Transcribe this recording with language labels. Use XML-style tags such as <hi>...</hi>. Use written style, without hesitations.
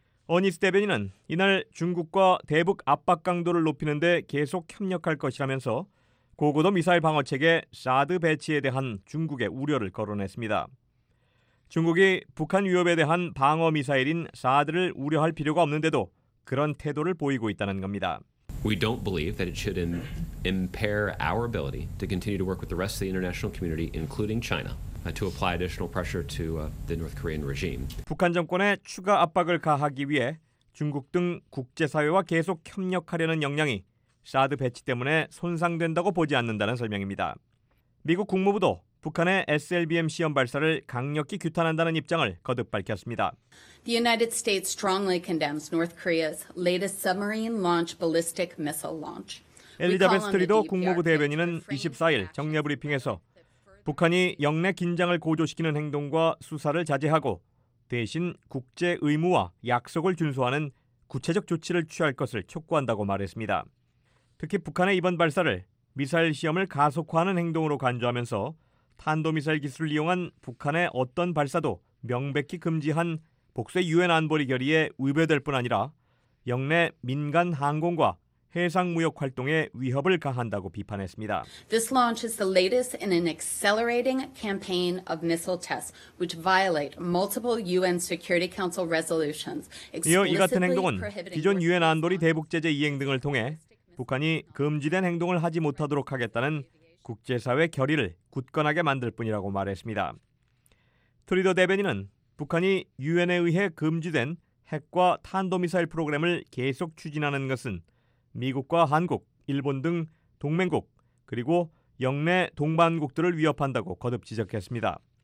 <ko>어니스 대변인은 이날 중국과 대북 압박 강도를 높이는 데 계속 협력할 것이라면서 고고도 미사일 방어체계 사드 배치에 대한 중국의 우려를 거론했습니다. 중국이 북한 위협에 대한 방어미사일인 사드를 우려할 필요가 없는데도 그런 태도를 보이고 있다는 겁니다.</ko> <en>We don't believe that it should impair our ability to continue to work with the rest of the international community, including China, to apply additional pressure to the North Korean regime.</en> <ko>북한 정권에 추가 압박을 가하기 위해 중국 등 국제사회와 계속 협력하려는 역량이 사드 배치 때문에 손상된다고 보지 않는다는 설명입니다. 미국 국무부도 북한의 SLBM 시험 발사를 강력히 규탄한다는 입장을 거듭 밝혔습니다.</ko> <en>The United States strongly condemns North Korea's latest submarine launch ballistic missile launch.</en> <ko>엘리자베스 트리도 국무부 대변인은 24일 정례 브리핑에서 북한이 영내 긴장을 고조시키는 행동과 수사를 자제하고 대신 국제 의무와 약속을 준수하는 구체적 조치를 취할 것을 촉구한다고 말했습니다. 특히 북한의 이번 발사를 미사일 시험을 가속화하는 행동으로 간주하면서 탄도미사일 기술을 이용한 북한의 어떤 발사도 명백히 금지한 복쇄 유엔 안보리 결의에 위배될 뿐 아니라 영내 민간 항공과 해상 무역 활동에 위협을 가한다고 비판했습니다.</ko> <en>This launch is the latest in an accelerating campaign of missile tests which violate multiple UN Security Council resolutions.</en> <ko>이어 이 같은 행동은 기존 유엔 안보리 대북 제재 이행 등을 통해 북한이 금지된 행동을 하지 못하도록 하겠다는 국제사회 결의를 굳건하게 만들 뿐이라고 말했습니다. 트리더 대변인은 북한이 유엔에 의해 금지된 핵과 탄도미사일 프로그램을 계속 추진하는 것은 미국과 한국, 일본 등 동맹국 그리고 영내 동반국들을 위협한다고 거듭 지적했습니다.</ko>